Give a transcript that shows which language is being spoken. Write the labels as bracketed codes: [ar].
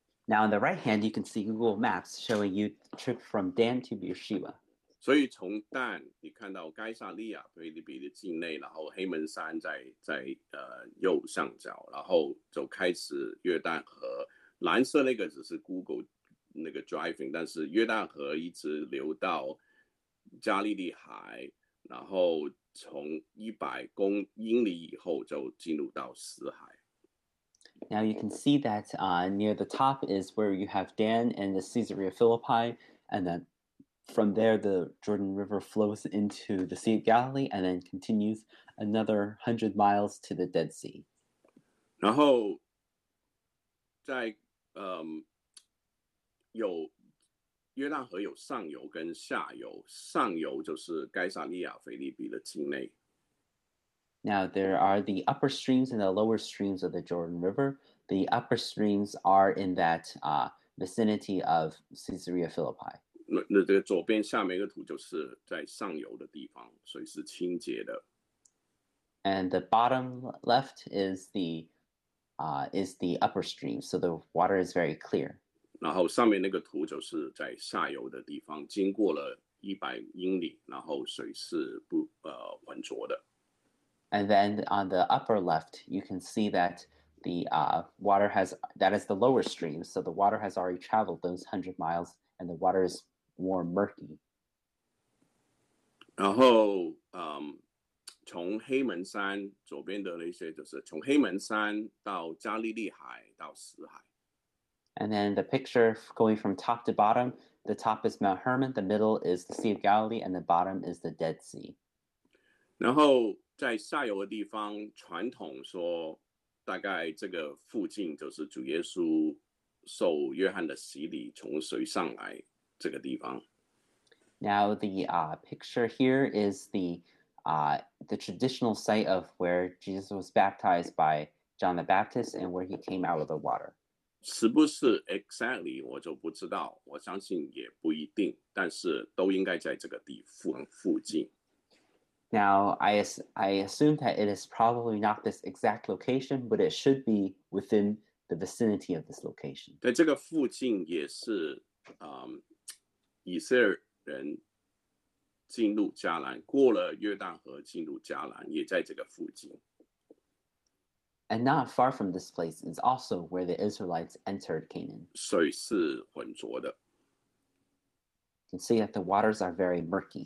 [en] Now, on the right hand, you can see Google Maps showing you the trip from Dan to Beersheba. [zh] 所以从但你看到该萨利亚、腓立比的境内，然后黑门山在右上角，然后就开始约旦河。蓝色那个只是 Google 那个 Driving，但是约旦河一直流到加利利海，然后从100公英里以后就进入到死海。 [en] Now you can see that near the top is where you have Dan and the Caesarea Philippi, and then from there the Jordan River flows into the Sea of Galilee and then continues another 100 miles to the Dead Sea. [zh] 然后在，有约旦河有上游跟下游，上游就是该萨利亚、腓立比的境内。 [en] Now there are the upper streams and the lower streams of the Jordan River. The upper streams are in that vicinity of Caesarea Philippi. [zh] 那这个左边下面一个图就是在上游的地方，所以是清洁的。 [en] And the bottom left is the upper stream, so the water is very clear. [zh] 然后上面那个图就是在下游的地方，经过了100英里，然后水是不浑浊的。And [en] then on the upper left, you can see that the water has, that is the lower stream, so the water has already traveled those 100 miles, and the water is warm, murky. [zh] 然后, 从黑门山, 左边的那些就是, 从黑门山到加利利海, 到死海。 [en] And then the picture going from top to bottom, the top is Mount Hermon, the middle is the Sea of Galilee, and the bottom is the Dead Sea. [zh] 然后在下游的地方, 传统说, 大概这个附近就是主耶稣受约翰的洗礼从水上来这个地方。Now [en] the picture here is the traditional site of where Jesus was baptized by John the Baptist and where he came out of the water. [zh] 是不是 exactly 我就不知道，我相信也不一定，但是都应该在这个地附近。 [en] Now, I assume that it is probably not this exact location, but it should be within the vicinity of this location. [zh] 在这个附近也是, 以色列人进入迦南, 过了约旦河进入迦南, 也在这个附近。 [en] And not far from this place is also where the Israelites entered Canaan. [zh] 水是浑浊的。 [en] You can see that the waters are very murky.